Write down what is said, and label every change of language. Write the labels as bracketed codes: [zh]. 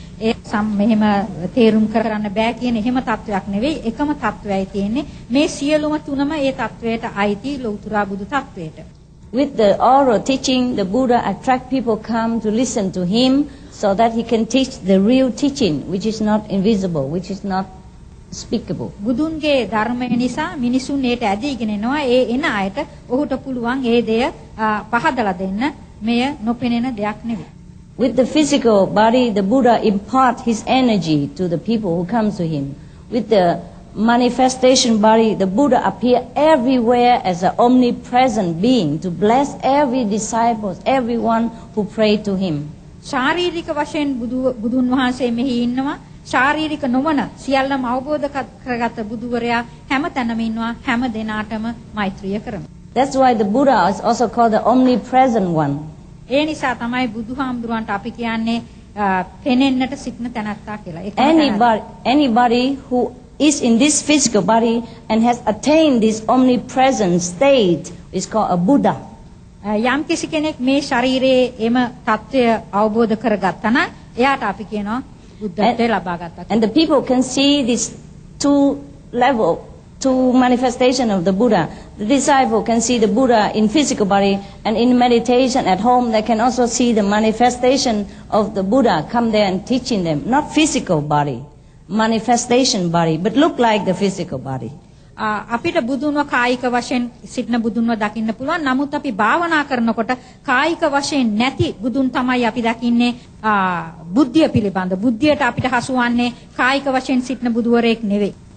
[si] ඒ සම් මෙහෙම තේරුම් කරගන්න බෑ කියන එහෙම තත්වයක් නෙවෙයි එකම තත්වයයි තියෙන්නේ මේ සියලුම තුනම ඒ තත්වයට අයිති ලෞතුරා බුදු තත්වයට [en] With the oral teaching the Buddha attract people come to listen to him so that he can teach the real teaching which is not invisible which is not speakable [si] බුදුන්ගේ ධර්මය නිසා මිනිසුන් ඒට ඇදීගෙන එනවා ඒ එන අයට ඔහුට පුළුවන් ඒ දෙය පහදලා දෙන්න මෙය නොපෙනෙන දෙයක් නෙවෙයි [en] With the physical body, the Buddha imparts his energy to the people who come to him. With the manifestation body, the Buddha appears everywhere as an omnipresent being to bless every disciple, everyone who pray to him. [si] ශාරීරික වශයෙන් බුදුන් වහන්සේ මෙහි ඉන්නවා. ශාරීරික නොවන සියල්ලම අවබෝධ කරගත බුදුවරයා හැම තැනම ඉන්නවා. හැම දෙනාටම මෛත්‍රිය කරමු. [en] That's why the Buddha is also called the omnipresent one. [si] ඒ නිසා තමයි බුදුහාමුදුරන්ට අපි කියන්නේ පෙනෙන්නට සිටින තැනත්තා කියලා. [en] Anybody who is in this physical body and has attained this omnipresent state is called a Buddha. [si] යම් කිසි කෙනෙක් මේ ශරීරයේ එම తත්වය අවබෝධ කරගත්තා නම් එයාට අපි කියනවා බුද්ධත්වය ලබා ගත්තා කියලා. [en] And the people can see this two level two manifestation of the Buddha. The disciple can see the Buddha in physical body and in meditation at home they can also see the manifestation of the Buddha come there and teaching them. Not physical body, manifestation body, but look like the physical body. [si] අපිට බුදුන්ව කායික වශයෙන් සිටින බුදුන්ව දකින්න පුළුවන්. නමුත් අපි භාවනා කරනකොට කායික වශයෙන් නැති බුදුන් තමයි අපි දකින්නේ බුද්ධිය පිළිබඳ. බුද්ධියට අපිට හසුවන්නේ කායික වශයෙන් සිටින බුදුවරයෙක් නෙවෙයි.